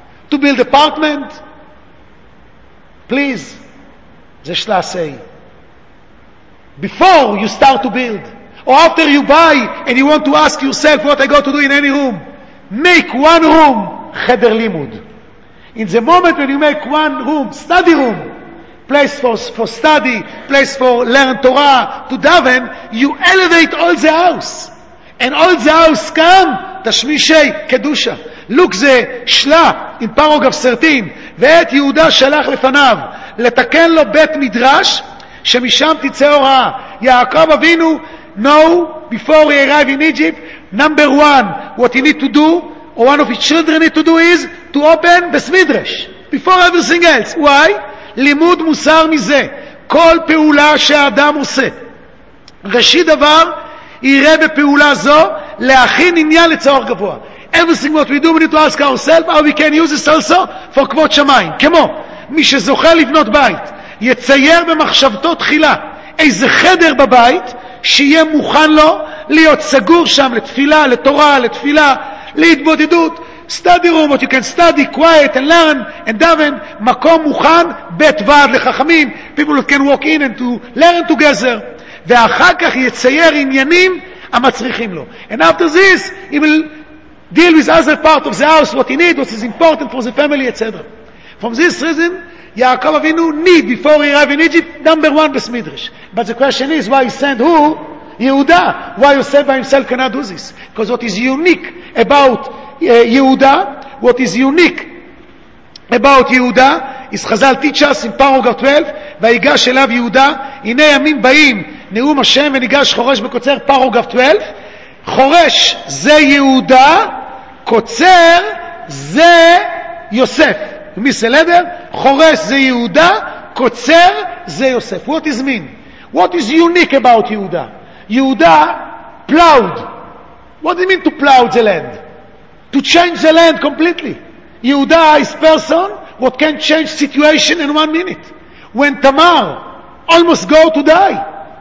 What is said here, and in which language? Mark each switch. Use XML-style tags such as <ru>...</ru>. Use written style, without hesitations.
<en>To build apartment? Please, the Shlach say, before you start to build, or after you buy, and you want to ask yourself what I got to do in any room, make one room, cheder limud. In the moment when you make one room, study room, place for study, place for learn Torah, to daven, you elevate all the house. And all the house come, tashmishei kedusha. Look the Shlach, in paragraph 13,</en> <he>ואת יהודה שלח לפניו לתקן לו בית מדרש שמשם תצא הוראה.</he> <en>יעקב אבינו, no, before he arrived in Egypt, number one, what he need to do, or one of his children need to do is to open בית מדרש. Before everything else. Why?</en> <he>לימוד מוסר מזה. כל פעולה שהאדם עושה. ראשי דבר, יראה בפעולה זו להכין עניין לצוהר גבוה.</he> <en>Everything what we do, we need to ask ourselves how we can use this also for כבוד שמיים.</en> <he>כמו, מי שזוכה לבנות בית, יצייר במחשבתו תחילה איזה חדר בבית שיהיה מוכן לו להיות סגור שם לתפילה, לתורה, לתפילה, להתבודדות.</he> <en>Study room, what you can study, quiet and learn and daven,</en> <he>מקום מוכן, בית ועד לחכמים,</he> <en>people that can walk in and to learn together,</en> <he>ואחר כך יצייר עניינים המצריכים לו.</he> <en>And after this, he will deal with other part of the house, what he needs, what is important for the family, etc. From this reason, Yaakov Avinu need, before he arrived in Egypt, number one, Bes Midrash. But the question is, why he sent who? Yehuda. Why Yosef by himself cannot do this? Because what is unique about Yehuda, what is unique about Yehuda, is Chazal teach us in paragraph 12,</en> <he>ויגש אליו יהודה, הנה ימים באים, נאום השם, וניגש חורש בקוצר, paragraph 12, חורש זה יהודה, קוצר זה יוסף. מי סלדר? חורש זה יהודה, קוצר זה יוסף.</he> <en>What is mean? What is unique about יהודה? יהודה plowed. What do you mean to plow the land? To change the land completely. יהודה is person what can change situation in 1 minute. When Tamar almost go to die,</en>